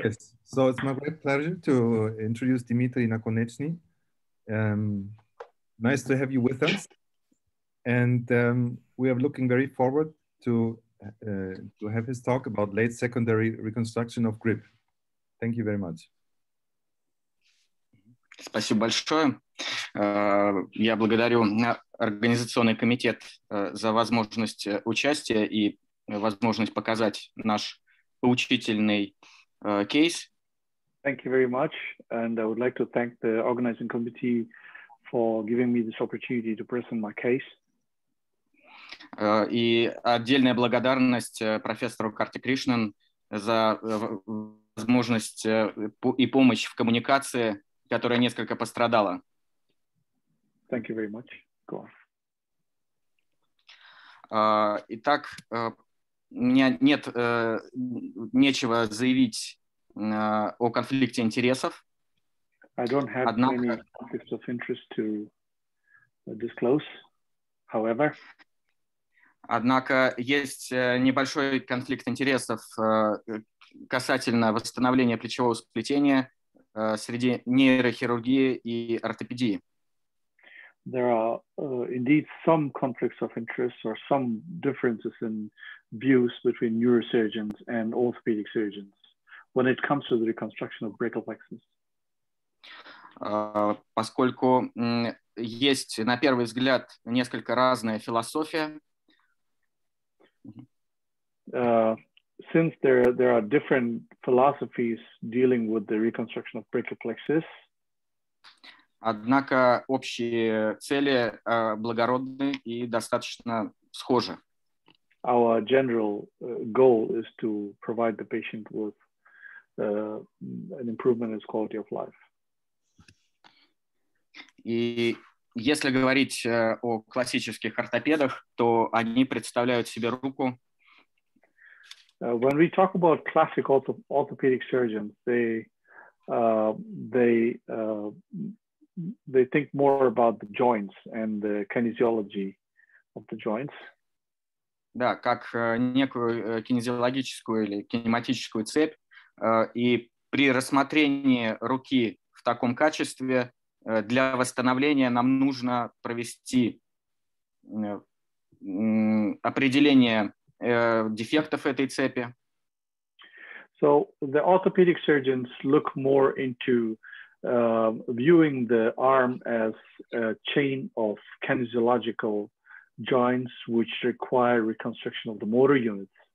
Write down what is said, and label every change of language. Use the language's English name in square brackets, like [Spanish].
[English] Yes, so it's my great pleasure to introduce Dmitry Nakonechny. Nice to have you with us. And we are looking very forward to have his talk about late secondary reconstruction of grip. Thank you very much. [Russian] Спасибо большое. Я благодарю организационный комитет за возможность участия и возможность показать наш поучительный кейс. [English] Thank you very much, and I would like to thank the organizing committee for giving me this opportunity to present my case. [Russian] И отдельная благодарность профессору Карти Кришнан за возможность и помощь в коммуникации, которая несколько пострадала. [English] Thank you very much. Go on. [Russian] Итак, у меня нет нечего заявить о конфликте интересов. [English] I don't have any conflicts of interest to disclose, however. [Russian] Однако есть небольшой конфликт интересов касательно восстановления плечевого сплетения среди нейрохирургии и ортопедии. [English] There are indeed some conflicts of interest or some differences in views between neurosurgeons and orthopedic surgeons when it comes to the reconstruction of brachial plexus. [Russian] Поскольку есть на первый взгляд несколько разная философия. [English] Since there are different philosophies dealing with the reconstruction of brachial plexus, [Russian] однако общие цели благородны и достаточно схожи. [English] Our general goal is to provide the patient with an improvement in his quality of life. [Russian] И если говорить о классических ортопедах, то они представляют себе руку. [English] When we talk about classic orthopedic surgeons, they think more about the joints and the kinesiology of the joints. [Russian] Да, как некую кинезиологическую или кинематическую цепь, и при рассмотрении руки в таком качестве для восстановления нам нужно провести определение дефектов этой цепи. [English] So the orthopedic surgeons look more into viewing the arm as a chain of kinesiological joints which require reconstruction of the motor units.